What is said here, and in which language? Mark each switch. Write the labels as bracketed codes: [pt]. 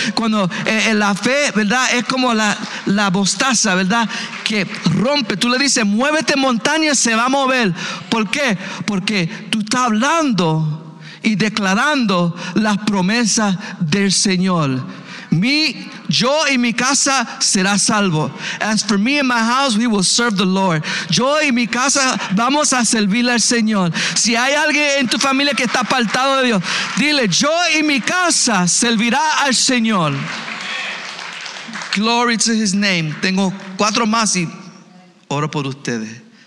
[es] Cuando la fe, ¿verdad?, es como la mostaza, ¿verdad?, que rompe. Tú le dices, muévete montaña, se va a mover. ¿Por qué? Porque tú estás hablando y declarando las promesas del Señor. Yo y mi casa será salvo. [en] As for me and my house, we will serve the Lord. [es] Yo y mi casa vamos a servir al Señor. Si hay alguien en tu familia que está apartado de Dios, dile, yo y mi casa servirá al Señor. [en] Glory to his name. [es] Tengo 4 más y oro por ustedes.